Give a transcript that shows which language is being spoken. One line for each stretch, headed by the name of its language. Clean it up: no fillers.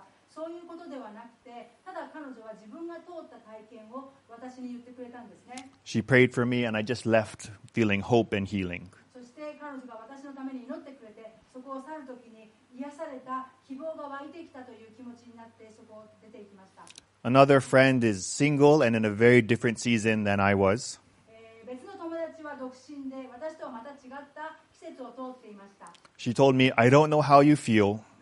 Japanese: そういうことではなくて、ただ彼女は自分が通った体験を私に言ってくれたんですね。
English: She prayed for me and I just left feeling hope and healing.
Japanese: そして彼女が私のために祈ってくれて、そこを去るときに癒された希望が湧いてきたという気持ちになってそこを出ていきました。
English: Another friend is single and in a very different season than I was.
Japanese: 別の友達は独身で、私とはまた違った季節を通っていました。
English: She told me, I don't know how you feel.